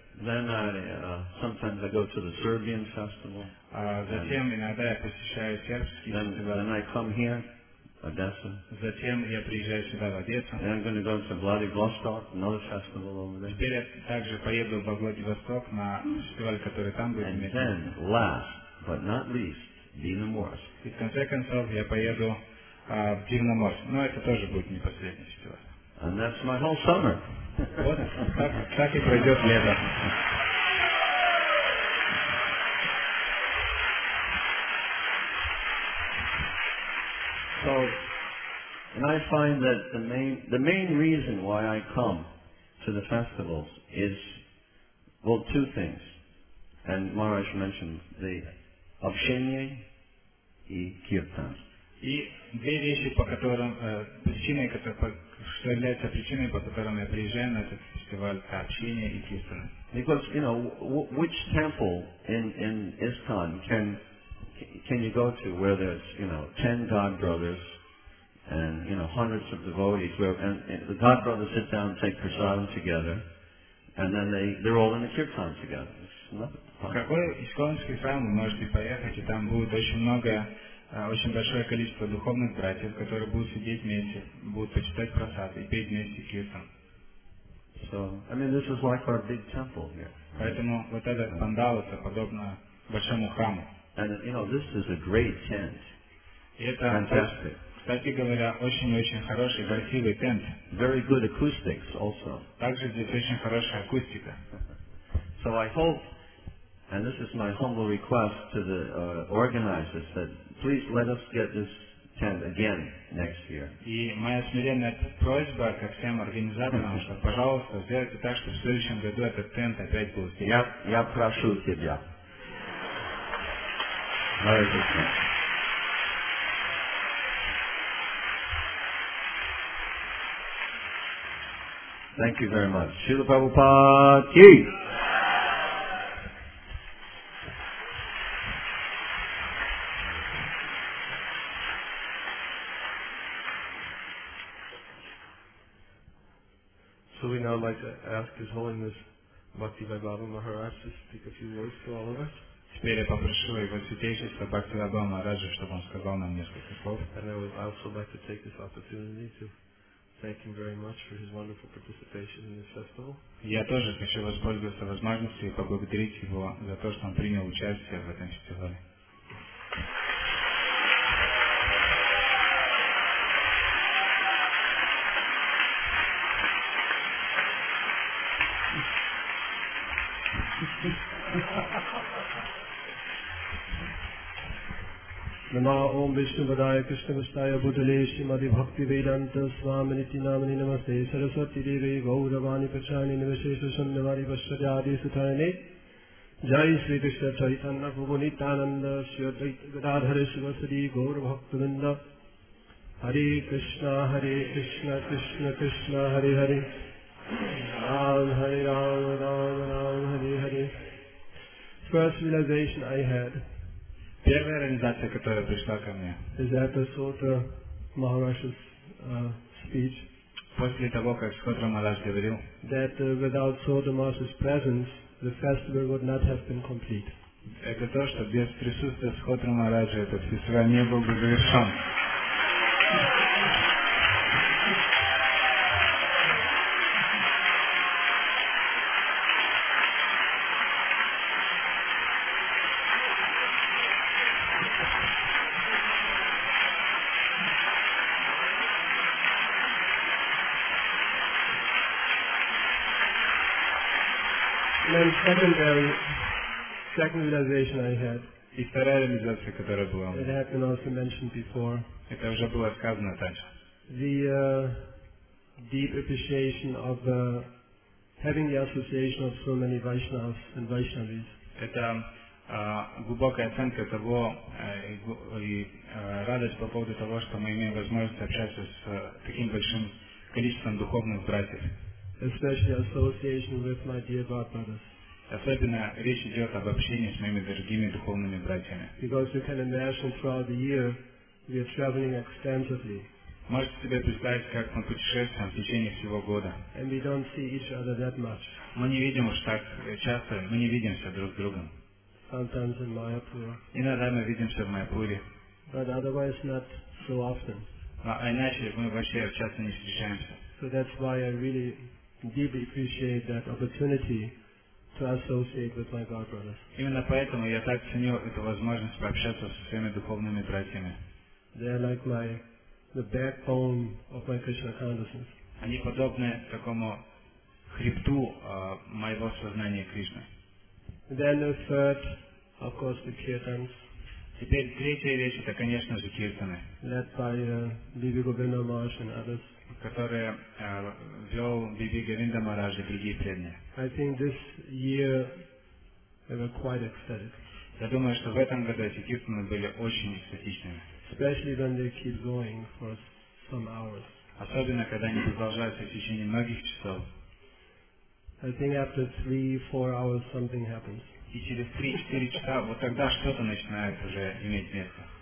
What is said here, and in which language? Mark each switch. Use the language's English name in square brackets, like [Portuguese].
[English] Then sometimes I go to the Serbian festival. [Russian] Затем иногда я посещаю сербский фестиваль. [English] Then I come here, Odessa. [Russian] Затем я приезжаю сюда в Одессу. [English] Then I'm going to go to Vladivostok, another festival over there. [Russian] Теперь я также поеду во Владивосток на фестиваль, который там будет. [English] And then, last but not least, Dina Morris. [Russian] И в конце концов я поеду. Но это тоже будет не последняя ситуация. [English] And that's my whole summer. [Russian] Вот так и пройдет лето. [English] So, and I find that the main reason why I come to the festivals is, well, two things. And Maharaj mentioned the [Russian] obshenye и [English] kirtan. [Russian] И две вещи, что является причиной, по которым я приезжаю на этот фестиваль, это общение и кистана. [English] Because, you know, which temple in ISKCON can you go to where there's, you know, 10 God brothers and, you know, hundreds of devotees, where and the God brothers sit down and take prasadam together, and then they're all in the kirtan together. [Russian] В какой исконский храм вы можете поехать, и там будет очень много... очень большое количество духовных братьев, которые будут сидеть вместе, будут почитать прасад и петь вместе киртан. [English] So, I mean, this is like our big temple here. [Russian] Поэтому вот этот пандал это подобно большому храму. [English] And you know, this is a great tent. [Russian] И это, [English] fantastic. [Russian] Кстати говоря, очень-очень хороший, красивый тент. [English] Very good acoustics also. [Russian] Также здесь очень хорошая акустика. [English] So I hope, and this is my humble request to the organizers, that please let us get this tent again next year. [Russian] И моя смиренная просьба ко всем организаторам, что, пожалуйста, сделайте так, чтобы в следующем году этот тент опять был здесь. Я прошу тебя. [English] Thank you very much. Srila Prabhupada ki. So we now like to ask His Holiness Bhaktivedanta Maharaj to speak a few words to all of us. [Russian] Теперь я попрошу Его Святейшество Бхактивинода Махараджа, чтобы он сказал нам несколько слов. [English] And I would also like to take this opportunity to thank him very much for his wonderful participation in this festival. [Russian] Я тоже хочу воспользоваться возможностью и поблагодарить его за то, что он принял участие в этом фестивале. [Sanskrit] Nama Om Vishnu Padaya Krishna Vastaya Buddhaleshi Madhi Bhakti Vedanta Swami Niti Namani Namaste Saraswati Devi Gauravani Pachani Namaseshu Sundavari Vashwajadi Sutayane Jai Sri Krishna Chaitanya Bhubunitananda Sri Advaita Gadadhara Sivasadi Gaura Bhaktivinoda Hare Krishna Krishna Krishna Hare Hare Ram Hare Ram Ram Ram Hare Hare. [English] First realization I had, [Russian] первая реализация, которая пришла ко мне, [English] is after Sutra Maharaj's speech, [Russian] после того, как Сутра Махарадж говорил, [English] that without Sutra Maharaj's presence, the festival would not have been complete. [Russian] Это то, что без присутствия Сутра Махараджа этот фестиваль не был бы завершен. [English] Second realization I had, [Russian] и вторая реализация, которая была, [English] it had been also mentioned before, [Russian] это уже было сказано раньше, [English] the deep appreciation of having the association of so many Vaishnavas and Vaishnavis. [Russian] Это глубокая оценка того и радость по поводу того, что мы имеем возможность общаться с таким большим количеством духовных братьев. [English] Especially association with my dear God brothers. [Russian] Особенно речь идет об общении с моими дорогими духовными братьями. [English] Because you can imagine throughout the year we are traveling extensively. [Russian] Можете себе представить, как мы путешествуем в течение всего года. [English] And we don't see each other that much. [Russian] Мы не видим уж так часто, мы не видимся друг с другом. [English] Sometimes in Mayapur. [Russian] Иногда мы видимся в Майяпуре. [English] But otherwise not so often. [Russian] А иначе мы вообще часто не встречаемся. [English] So that's why I really deeply appreciate that opportunity to associate with my God brothers. [Russian] Именно поэтому я так ценю эту возможность пообщаться со своими духовными братьями. [English] They are like the backbone of my Krishna consciousness. [Russian] Они подобны такому хребту моего сознания Кришны. [English] Then the third, of course, the kirtans. [Russian] Теперь третья вещь, это, конечно же, киртаны. [English] Led by Bibi Govinda Maharaj and others. [Russian] Которые вел Биби Говинда Махарадж и другие преданные. [English] I think this year they were quite ecstatic. [Russian] Я думаю, что в этом году эти киртаны были очень экстатичными. [English] Especially when they keep going for some hours. [Russian] Особенно, когда они продолжаются в течение многих часов. [English] I think after 3-4 hours something happens. [Russian] И через 3-4 часа вот тогда что-то начинает уже иметь место.